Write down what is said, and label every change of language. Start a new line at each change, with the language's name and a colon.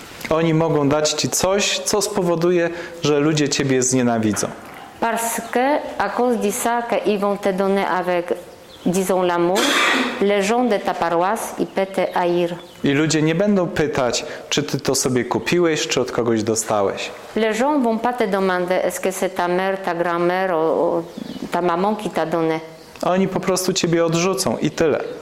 Polish: Oni mogą dać ci coś, co spowoduje, że ludzie ciebie znienawidzą.
French: Parce que à cause de ça qu'ils vont te donner avec, disons, l'amour, les gens de ta paroisse, ils peuvent te haïr.
Polish: I ludzie nie będą pytać, czy ty to sobie kupiłeś, czy od kogoś dostałeś.
French: Les gens vont pas te demander est-ce que c'est ta mère, ta grand-mère, ta maman qui t'a donné.
Polish: Oni po prostu ciebie odrzucą i tyle.